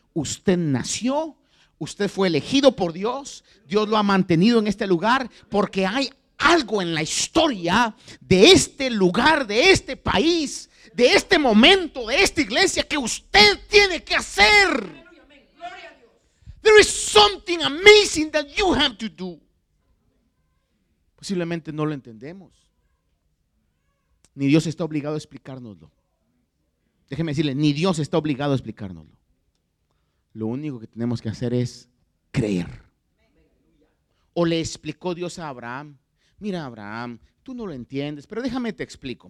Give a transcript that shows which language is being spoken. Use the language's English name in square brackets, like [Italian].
[Spanish] Usted nació, usted fue elegido por Dios, Dios lo ha mantenido en este lugar porque hay algo en la historia de este lugar, de este país, de este momento, de esta iglesia que usted tiene que hacer. [English] There is something amazing that you have to do. [Spanish] Posiblemente no lo entendemos. Ni Dios está obligado a explicárnoslo. Déjeme decirle, ni Dios está obligado a explicárnoslo. Lo único que tenemos que hacer es creer. O le explicó Dios a Abraham. Mira, Abraham, tú no lo entiendes, pero déjame te explico.